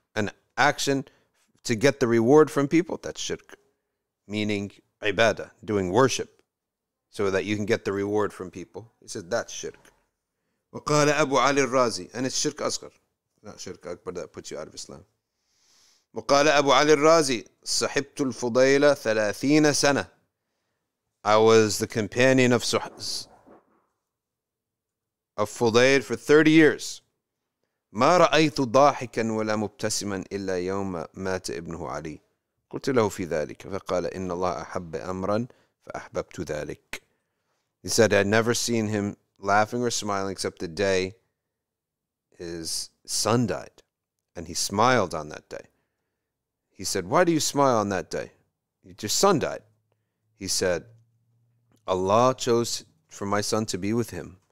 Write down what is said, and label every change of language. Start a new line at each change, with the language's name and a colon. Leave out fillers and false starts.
English: An action to get the reward from people, that's shirk. Meaning ibadah, doing worship, so that you can get the reward from people. He says, that's shirk. وَقَالَ أَبُو عَلِي الرَّازِي. And it's shirk asghar. Not shirk akbar, that puts you out of Islam.
Arabic: وقال أبو علي الرازي صحبت الفضيلة 30 سنة.
English: I was the companion of Fudayl for 30 years.
Arabic: ما رأيت ضاحكا ولا مبتسما إلا يوم مات ابنه علي. قلت له في ذلك فقال إن الله أحب أمرا فأحببت ذلك.
English: He said, I'd never seen him laughing or smiling except the day his son died. And he smiled on that day. He said, why do you smile on that day? Your son died. He said, Allah chose for my son to be with him.